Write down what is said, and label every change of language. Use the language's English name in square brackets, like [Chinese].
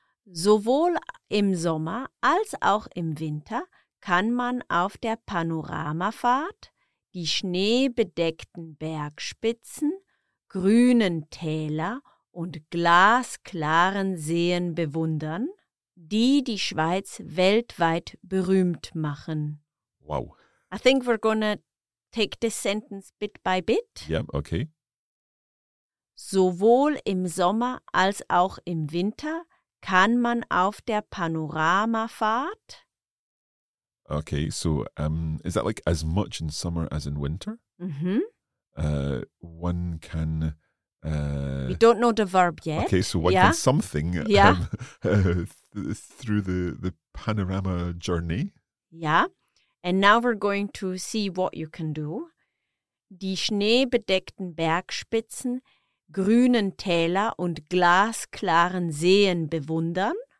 [German] Sowohl im Sommer als auch im Winter kann man auf der Panoramafahrt die schneebedeckten Bergspitzen, grünen Täler und glasklaren Seen bewundern, die die Schweiz weltweit berühmt machen. Wow. [English] I think we're gonna take this sentence bit by bit. Yeah, okay. [German] Sowohl im Sommer als auch im Winter kann man auf der Panoramafahrt. [English] Okay, so is that like as much in summer as in winter? Mm-hmm. One can... We don't know the verb yet. Okay, so one can something through the panorama journey. Yeah. And now we're going to see what you can do. [German] Die schneebedeckten Bergspitzen, grünen Täler und glasklaren Seen bewundern.